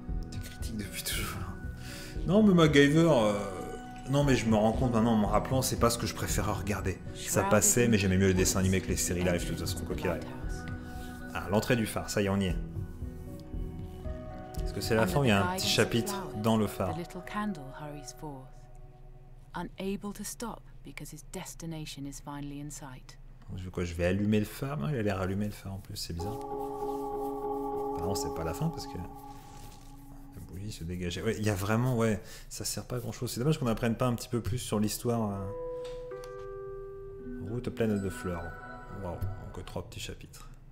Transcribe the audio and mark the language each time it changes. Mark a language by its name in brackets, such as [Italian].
[French] T'es critique depuis toujours. Non, mais MacGyver... Non, mais je me rends compte maintenant, en me rappelant, c'est pas ce que je préférais regarder. Ça passait, mais j'aimais mieux le dessin animé que les séries live, de toute façon, quoi qu'il arrive. Ah, l'entrée du phare, ça y est, on y est. Parce que c'est la fin, il y a un petit chapitre dans le phare. [English] The little candle hurries forth, unable to stop because his destination is finally in sight. [French] Je vais allumer le phare, il a l'air allumé le phare en plus, c'est bizarre. Apparemment c'est pas la fin parce que la bougie se dégageait. Ouais, il y a vraiment, ouais, ça sert pas à grand chose. C'est dommage qu'on apprenne pas un petit peu plus sur l'histoire. Route pleine de fleurs. Waouh, encore trois petits chapitres.